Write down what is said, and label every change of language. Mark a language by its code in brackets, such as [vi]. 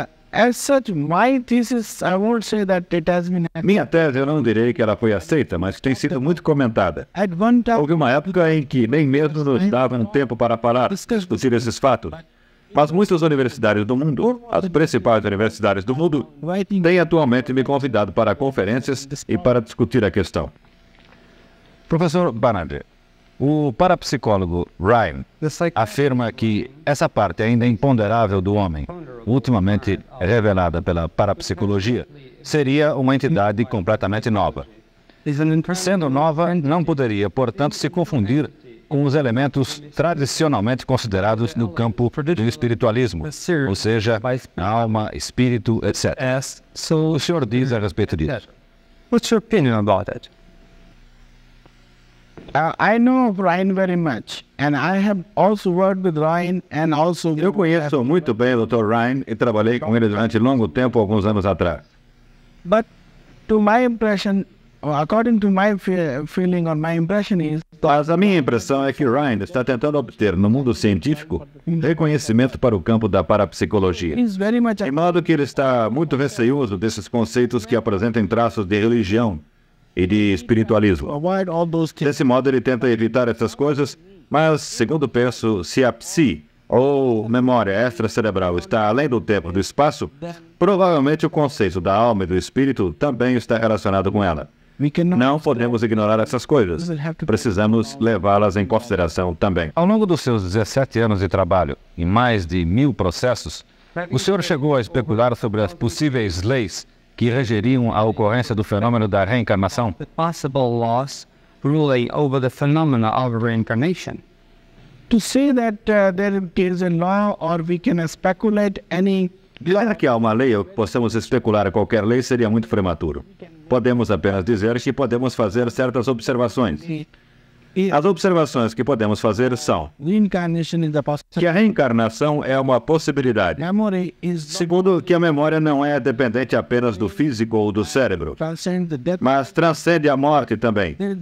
[en] As such, my thesis, I won't say that it has been... [pt] Minha tese, eu não direi que ela foi aceita, mas tem sido muito comentada. Houve uma época em que nem mesmo nos davam tempo para parar, discutir esses fatos. Mas muitas universidades do mundo, as principais universidades do mundo, têm atualmente me convidado para conferências e para discutir a questão. Professor Banerjee, o parapsicólogo Ryan afirma que essa parte ainda imponderável do homem, ultimamente revelada pela parapsicologia, seria uma entidade completamente nova. Sendo nova, não poderia, portanto, se confundir com os elementos tradicionalmente considerados no campo do espiritualismo, ou seja, alma, espírito, etc. O senhor diz a respeito disso? [en] What's your opinion about it? I know of Ryan very much, and I have also worked with Ryan and also... [pt] Eu conheço muito bem o Dr. Ryan e trabalhei com ele durante longo tempo, alguns anos atrás. [en] But to my impression, according to my feeling or my impression is... [pt] Mas a minha impressão é que Ryan está tentando obter no mundo científico reconhecimento para o campo da parapsicologia. [en] He's very much... [pt] De modo que ele está muito receoso desses conceitos que apresentam traços de religião e de espiritualismo. Desse modo, ele tenta evitar essas coisas, mas, segundo penso, se a psi ou memória extracerebral está além do tempo e do espaço, provavelmente o conceito da alma e do espírito também está relacionado com ela. Não podemos ignorar essas coisas. Precisamos levá-las em consideração também. Ao longo dos seus 17 anos de trabalho e mais de 1000 processos, o senhor chegou a especular sobre as possíveis leis que regeriam a ocorrência do fenômeno da reencarnação? [en] The possible laws ruling over the phenomena of reincarnation. To say that there is a law or we can speculate any... [pt] Dizer que há uma lei ou possamos especular qualquer lei seria muito prematuro. Podemos apenas dizer que podemos fazer certas observações. As observações que podemos fazer são que a reencarnação é uma possibilidade. Segundo, que a memória não é dependente apenas do físico ou do cérebro, mas transcende a morte também.